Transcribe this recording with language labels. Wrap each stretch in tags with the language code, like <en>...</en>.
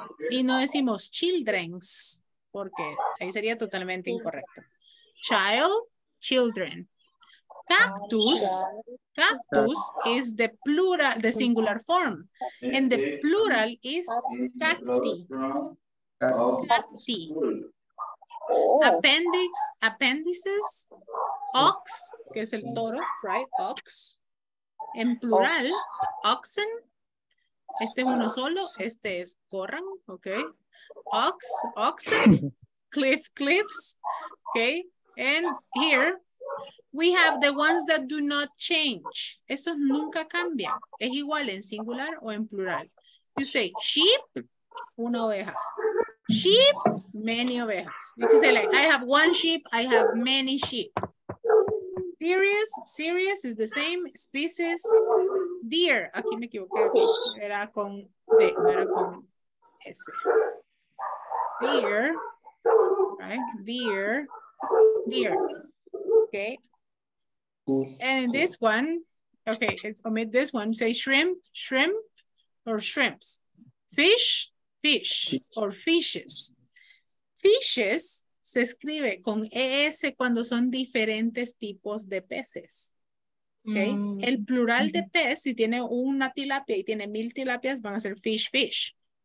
<es>Y no decimos children's, porque ahí sería totalmente incorrecto.</es> <en>Child, children. Cactus, cactus is the plural, the singular form. And the plural is cacti. Cacti. Appendix, appendices. Ox,</en> <es>que es el toro,</es> <en>right? Ox.</en> <es>En plural, oxen, este es uno solo, este es corran, ok.</es> <en>Ox, oxen, cliff, cliffs, ok. And here, we have the ones that do not change.</en> <es>Estos nunca cambian, es igual en singular o en plural.</es> <en>You say sheep,</en> <es>una oveja.</es> <en>Sheep, many ovejas. You say like, I have one sheep, I have many sheep. Serious, serious is the same species.</en> <es>Deer, aquí me equivoqué, era con D, no era con S.</es> <en>Deer, right? Deer, deer, okay. And in this one, okay, omit this one, say shrimp, shrimp, or shrimps. Fish, fish, or fishes.</en> <es>Fishes, se escribe con ES cuando son diferentes tipos de peces. Okay? Mm. El plural de pez, si tiene una tilapia y tiene mil tilapias, van a ser fish, fish.</es>